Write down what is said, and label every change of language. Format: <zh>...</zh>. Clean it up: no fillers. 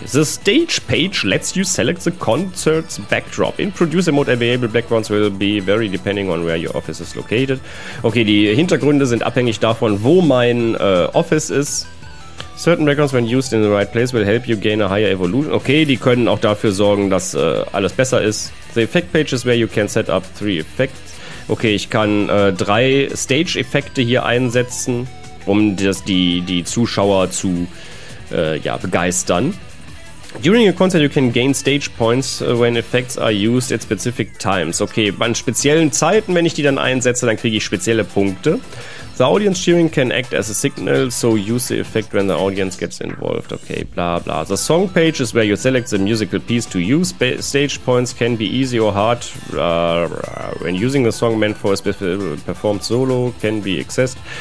<en>The stage page lets you select the concert's backdrop. In producer mode available backgrounds will be vary depending on where your office is located.</en> <de>Okay, die Hintergründe sind abhängig davon, wo mein Office ist.</de> <en>Certain backgrounds when used in the right place will help you gain a higher evolution.</en> <de>Okay, die können auch dafür sorgen, dass alles besser ist.</de> <en>The effect page is where you can set up 3 effects.</en> <de>Okay, ich kann 3 Stage-Effekte hier einsetzen, um das, die Zuschauer zu begeistern.</de> <en>During a concert you can gain stage points when effects are used at specific times.</en> <de>Okay, an speziellen Zeiten, wenn ich die dann einsetze, dann kriege ich spezielle Punkte.</de> <en>The audience cheering can act as a signal, so use the effect when the audience gets involved. Okay, bla bla. The song page is where you select the musical piece to use. Stage points can be easy or hard. When using a song meant for a performed solo can be accessed.</en>